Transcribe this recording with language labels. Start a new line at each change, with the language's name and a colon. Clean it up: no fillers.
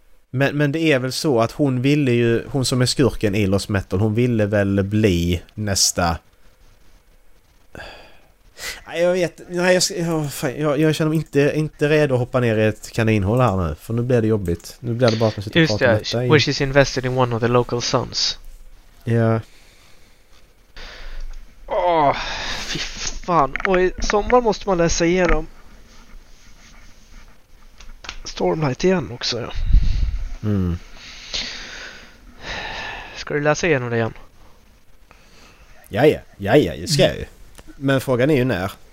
Swedish: Men det är väl så att hon ville ju, hon som är skurken i Lost Metal, hon ville väl bli nästa. Jag vet, nej, jag känner mig inte redo att hoppa ner i ett kaninhål här nu, för nu blir det jobbigt. Nu blir det bara att sitta och prata med dig.
English: Which is invested in one of the local sons.
Swedish: Ja. Åh, fy fan. Och i sommar måste man läsa igenom Stormlight igen också, ja. Mm. Ska du läsa igenom det igen? Jaja, det ska jag ju. Men frågan är ju när.